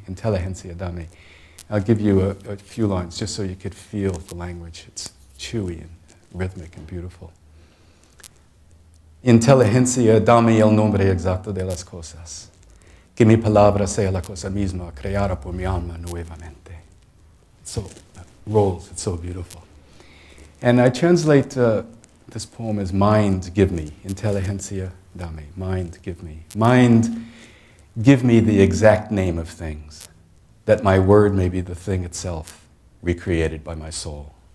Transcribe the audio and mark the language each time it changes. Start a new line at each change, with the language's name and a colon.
Spanish: Inteligencia Dame.
English: I'll give you a few lines just so you could feel the language. It's chewy and rhythmic and beautiful.
Spanish: Inteligencia, dame el nombre exacto de las cosas. Que mi palabra sea la cosa misma, creada por mi alma nuevamente.
English: So, rolls, it's so beautiful. And I translate this poem as mind, give me.
Spanish: Inteligencia, dame,
English: mind, give me. Mind, give me the exact name of things, that my word may be the thing itself, recreated by my soul.